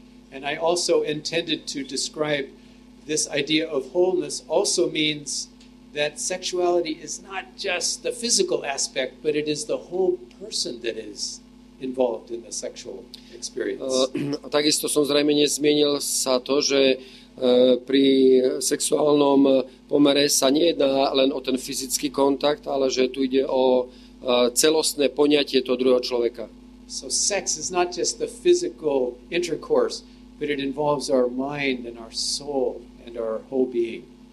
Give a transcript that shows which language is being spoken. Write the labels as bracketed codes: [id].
[en] And I also intended to describe this idea of wholeness also means that sexuality is not just the physical aspect, but it is the whole person that is involved in the sexual experience. [sk] Takisto som zrejme nezmienil sa to, že pri sexuálnom pomere sa nejedná len o ten fyzický kontakt, ale že tu ide o celostné poňatie toho druhého človeka. [en] So sex is not just the physical intercourse, but it involves our mind and our soul and our whole being.